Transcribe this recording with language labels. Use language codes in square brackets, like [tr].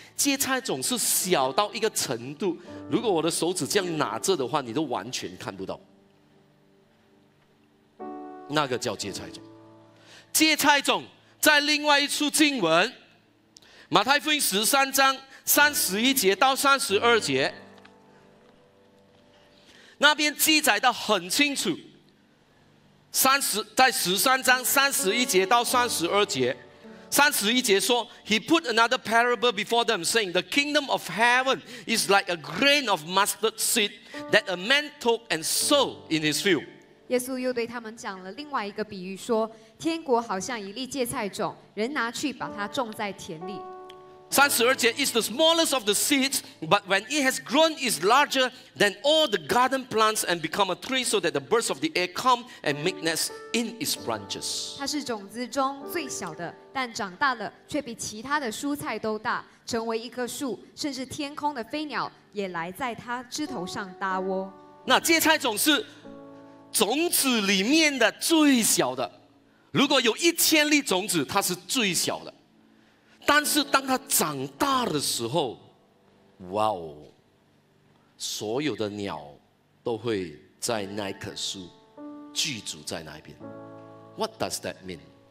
[zh] 芥菜种是小到一个程度，如果我的手指这样拿着的话，你都完全看不到，那个叫芥菜种。芥菜种在另外一处经文，马太福音13:31-32，那边记载的很清楚。在13:31-32， 31节说 [en] He put another parable before them saying The kingdom of heaven is like a grain of mustard seed That a man took and sowed in his field [zh] 耶稣又对他们讲了另外一个比喻说天国好像一粒芥菜种人拿去把它种在田里 32节 [en] It's the smallest of the seeds But when it has grown It's larger than all the garden plants And become a tree So that the birds of the air come And make nests in its branches [zh] 它是种子中最小的但长大了却比其他的蔬菜都大成为一棵树甚至天空的飞鸟也来在它枝头上搭窝那芥菜种是种子里面的最小的如果有一千粒种子它是最小的但是当它长大的时候哇哦所有的鸟都会在那棵树聚集在那边 [en] What does that mean?